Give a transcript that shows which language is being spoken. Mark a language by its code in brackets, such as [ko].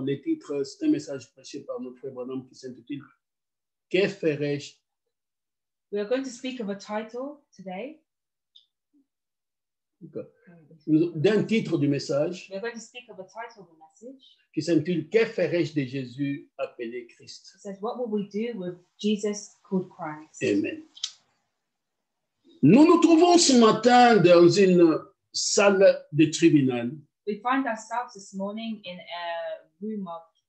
[fr] Le titre, c'est un message prêché par notre frère Branham qui s'intitule « Que ferais-je ?» [en] We are going to speak of a title today. [fr] D'un titre du message, [en] we are going to speak of a title of the message [fr] qui s'intitule « Que ferais-je de Jésus appelé Christ ?» [en] It says, what will we do with Jesus called Christ? Amen. [fr] Nous nous trouvons ce matin dans une salle de tribunal. [en] We find ourselves this morning in a room of